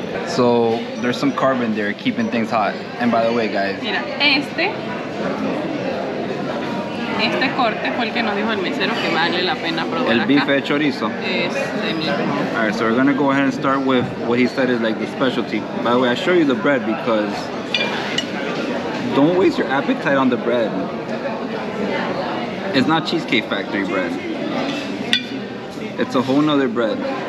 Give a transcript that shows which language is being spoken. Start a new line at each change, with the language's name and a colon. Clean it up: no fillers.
English: So, there's some carbon there keeping things hot. And by the way, guys.
Spanish: Mira, este corte fue el que nos dijo el mesero que vale la pena probar. El acá. Bife de chorizo. Este mismo.
English: Alright, so we're gonna go ahead and start with what he said is like the specialty. By the way, I show you the bread because don't waste your appetite on the bread. It's not Cheesecake Factory bread. It's a whole nother bread.